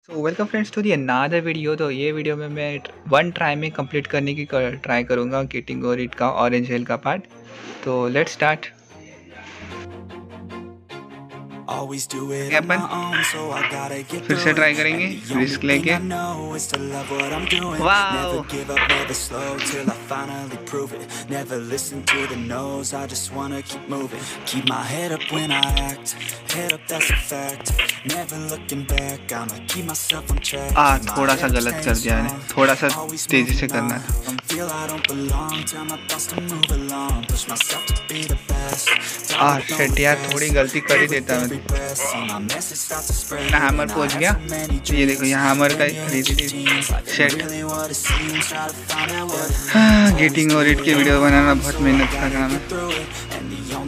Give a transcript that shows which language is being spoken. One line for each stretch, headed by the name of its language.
Hindi: तो
English: Welcome friends to the another video.
Hindi: तो ये वीडियो में मैं वन ट्राई में कंप्लीट करने की ट्राई करूँगा किटिंग और इट का ऑरेंज हेल का पार्ट।
English: तो let's start. Always do it on my own, so I gotta get through it. And the only thing I know is to love what I'm doing. Never give up, never slow, till I finally prove it. Never listen to the no's, I just wanna keep moving. Keep my head up when I act, head up, that's a fact. Never looking back, I'ma keep myself on track.
Hindi: Ah, थोड़ा सा गलत कर दिया मैंने, थोड़ा सा तेजी से करना है।
English: Feel I don't belong, tell my thoughts to move along. Push myself to be the best.
Hindi: आह शेट यार, थोड़ी गलती कर ही देता मैं। हैमर पहुंच गया, ये देखो यहाँ हैमर का शेट। गेटिंग और इट के वीडियो बनाना बहुत मेहनत का काम है।